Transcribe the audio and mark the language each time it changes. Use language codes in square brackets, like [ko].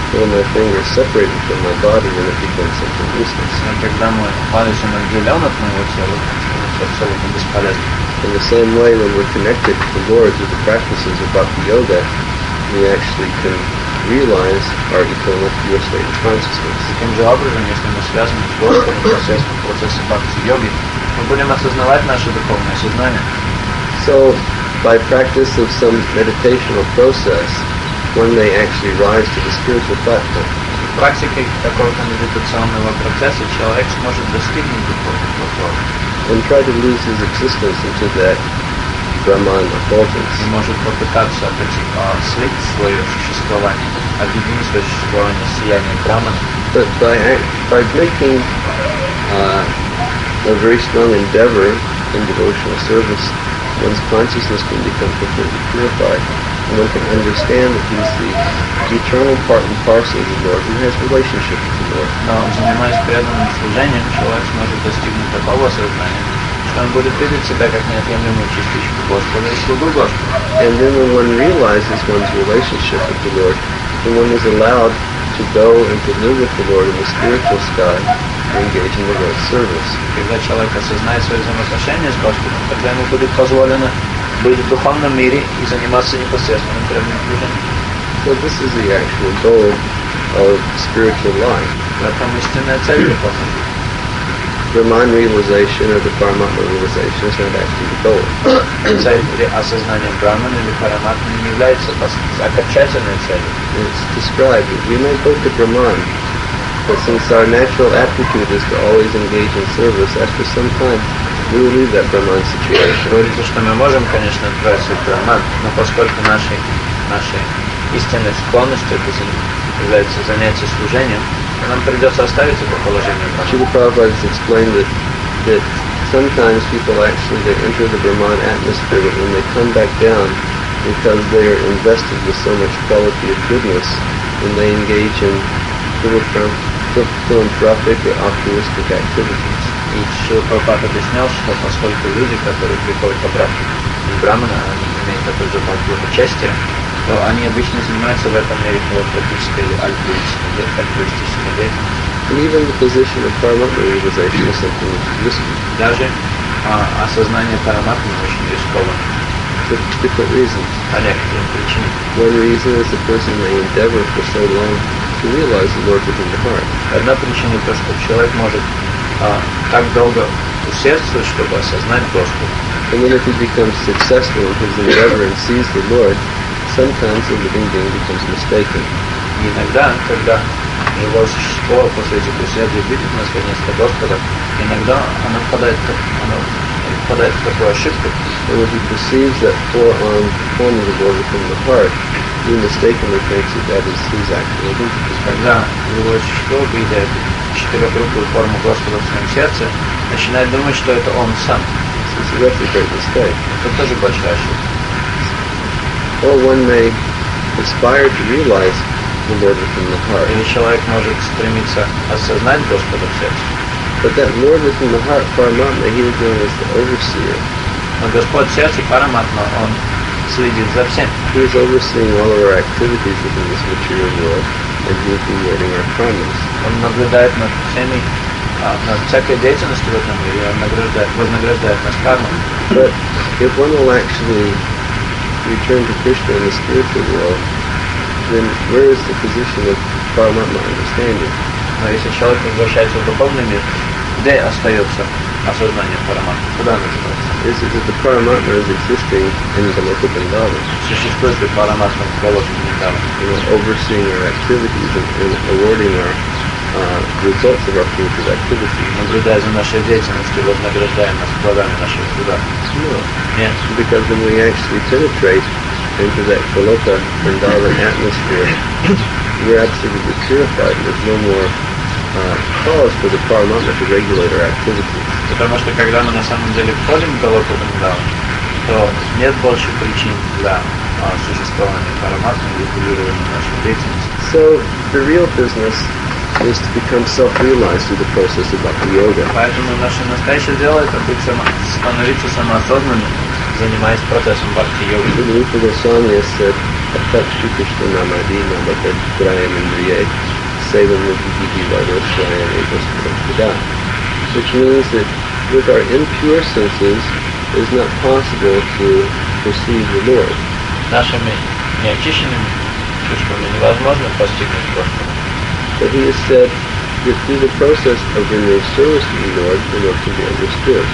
[en] When my fingers separated from my body, then it becomes something useless. [ru] Но когда мой палец отделен от моего тела, это абсолютно бесполезно. [en] In the same way, when we're connected to the Lord through the practices of Bhakti Yoga, we actually can realize our eternal pure state of consciousness. [ru] Таким же образом, если мы связаны с Господом посредством процесса бхакти-йоги, мы будем осознавать наше духовное сознание. [en] So, by practice of some meditational process, one may actually rise to the spiritual platform. [ru] Практикой какого-то медитационного процесса человек сможет достигнуть духовного платформы. [en] And try to lose his existence into that Brahman effulgence. [ru] И может попытаться слить свое существование, объединить свое существование с сиянием Брахмана. [en] But by making a very strong endeavor in devotional service, one's consciousness can become completely purified, and one can understand that he's the eternal part and parcel of the Lord, who has relationship with the Lord. [ru] Но занимаясь преданным служением, человек сможет достигнуть такого сознания, он будет видеть себя как неотъемлемую частичку Господа и слугу Господа. [en] And then when one realizes one's relationship with the Lord, then one is allowed to go and to live with the Lord in the spiritual sky and engage in the Lord's service. [ru] Когда человек осознает свое взаимоотношение с Господом, тогда ему будет позволено быть в духовном мире и заниматься непосредственным прямым служением. [en] So this is the actual goal of spiritual life. [ru] Это истинная цель духовной жизни. [en] The mind realization or the paramatma realization is not actually the goal. [ru] Цель осознания Брахмана или параматмы не является окончательной целью. [en] It's described. We may go to Brahman, but since our natural aptitude is to always engage in service, after some time, we will leave that Brahman situation. [ru] Говорится, что мы можем, конечно, отправиться в Брахман, но поскольку наши истинные склонности являются занятия служением, нам придется оставить это положение. [en] Srila Prabhupada explained that sometimes people actually they enter the Brahman atmosphere, but when they come back down, because they are invested with so much quality of goodness, and they engage in philanthropic or altruistic activities. [ru] И Srila Prabhupada объяснял, что поскольку люди, которые приходят обратно из Брахмана, они имеют такой же подход участия, то они обычно занимаются в этом мире филантропической или альтруистической деятельностью. [en] Even the position of paramatma realization is something useful. [ru] Даже осознание параматмы очень рисково. [en] For different reasons. One reason is, of course, in the endeavor for so long to realize the Lord within the heart. [ru] Одна причина то, что человек может так долго усердствовать, чтобы осознать Господа. [en] And when it becomes successful in his endeavor and sees the Lord, sometimes the living being becomes mistaken. [ru] Иногда, когда живое существо после этих усердий видит наслаждение Господа, иногда оно впадает в [en] And when he perceives that form of the Lord within the heart, he mistakenly thinks that that is his actual identity. [ru] Когда его существо видит четырехрукую форму Господа в своем сердце, начинает думать, что это он сам. [en] This is a great mistake. [ru] Это тоже большая ошибка. [en] Or one may aspire to realize the Lord within the heart. [ru] Или человек может стремиться осознать Господа в сердце. [en] But that Lord within the heart, Paramatma, he is known as the overseer. [ru] Но Господь в сердце Параматма, он следит за всем. [en] He is overseeing all of our activities within this material world, and he is rewarding our karmas. [ru] Он наблюдает над всеми, над всякой деятельностью в этом мире, он вознаграждает нас кармой. [en] But if one will actually return to Krishna in the spiritual world, then where is the position of Paramatma understanding? [ru] Но если человек возвращается в духовный мир, где остается осознание Параматмы? Куда оно становится? Существует ли Параматма в Голоке Вриндаване? [en] Overseeing our activities and awarding our results of our future activities. [ru] Наблюдая за нашей деятельностью, вознаграждая нас плодами наших трудов. Нет. [en] Because when we actually penetrate into that Goloka Vrindavan atmosphere, we're absolutely purified. There's no more cause for the Paramatma to regulate our activities. [ru] Потому что когда мы на самом деле входим в Голоку Вриндаван, то нет больше причин для существования Параматмы и регулирования нашей деятельности. [en] So the real business is to become self-realized through the process of Bhakti Yoga. [ru] Поэтому наше настоящее дело это быть становиться самоосознанным, занимаясь процессом Bhakti Yoga. The Rupa Goswami has said, I touch Sri Krishna Namadina, but then Brahma and Riyad say them with the Gigi Vada Shraya and Ekos Prakhida. [en] Which means that with our impure senses, it is not possible to perceive the Lord. [ru] Нашими неочищенными чувствами невозможно постигнуть Господа. [en] But he has said that through the process of renewed service to the Lord can be understood.